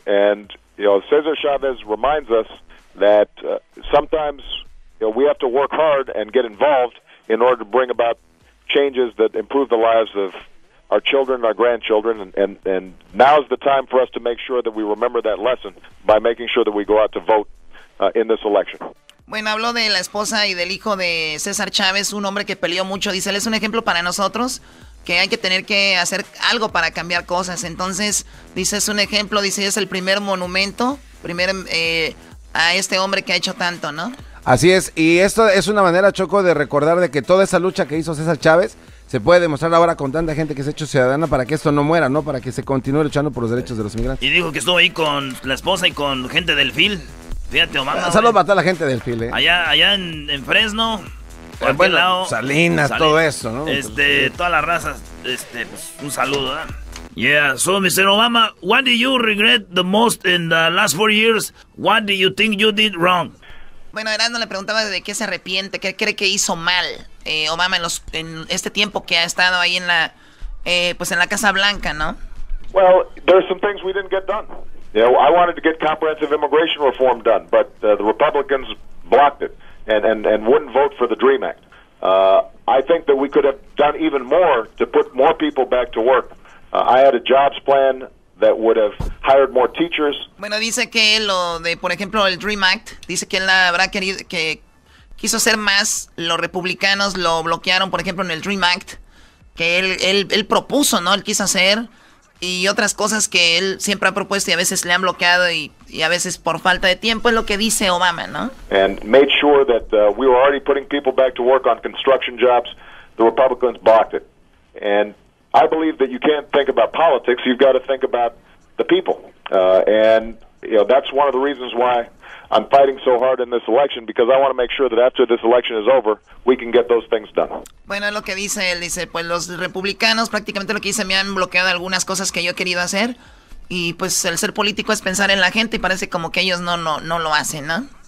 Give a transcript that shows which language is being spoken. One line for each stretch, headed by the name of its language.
English: And you know, César Chávez reminds us that sometimes, you know, we have to work hard and get involved in order to bring about changes that improve the lives of our children, our grandchildren, and now's the time for us to make sure that we remember that lesson by making sure that we go out to vote in this election.
Spanish: Bueno, habló de la esposa y del hijo de César Chávez, un hombre que peleó mucho. Dice, él es un ejemplo para nosotros que hay que tener que hacer algo para cambiar cosas. Entonces, dice, es un ejemplo, dice, es el primer monumento, primer a este hombre que ha hecho tanto, ¿no? Así es, y esto es una manera, Choco, de recordar de que toda esa lucha que hizo César Chávez se puede demostrar ahora con tanta gente que se ha hecho ciudadana para que esto no muera, ¿no? Para que se continúe luchando por los derechos de los migrantes. Y dijo que estuvo ahí con la esposa y con gente del FIL. Fíjate, Obama. Saludos para toda la gente del FIL, ¿eh? Allá en Fresno, por aquel bueno, lado. Salinas, todo eso, ¿no? Todas las razas, pues, un saludo, ¿verdad?
English: Yeah, so Mr. Obama, what do you regret the most in the last 4 years? What do you think you did wrong?
Spanish: Bueno, Erasmo le preguntaba de qué se arrepiente, qué cree que hizo mal Obama en este tiempo que ha estado ahí en la Casa Blanca, ¿no?
English: Well, there's some things we didn't get done. You know, I wanted to get comprehensive immigration reform done, but the Republicans blocked it and wouldn't vote for the DREAM Act. I think that we could have done even more to put more people back to work. I had a jobs plan that would have hired more teachers.
Spanish: Bueno, dice que lo de, por ejemplo, el DREAM Act, dice que él habrá querido, que quiso hacer más, los republicanos lo bloquearon, por ejemplo, en el DREAM Act, que él propuso, ¿no? Él quiso hacer, y otras cosas que él siempre ha propuesto y a veces le han bloqueado y a veces por falta de tiempo, es lo que dice Obama, ¿no?
English: And made sure that we were already putting people back to work on construction jobs. The Republicans blocked it. And I believe that you can't think about politics, you've got to think about the people. And, you know, that's one of the reasons why I'm fighting so hard in this election, because I want to make sure that after this election is over, we can get those things done.
Spanish: Bueno, es lo que dice él, dice, pues los republicanos prácticamente lo que dice, me han bloqueado algunas cosas que yo he querido hacer, y pues el ser político es pensar en la gente, y parece como que ellos no lo hacen, ¿no?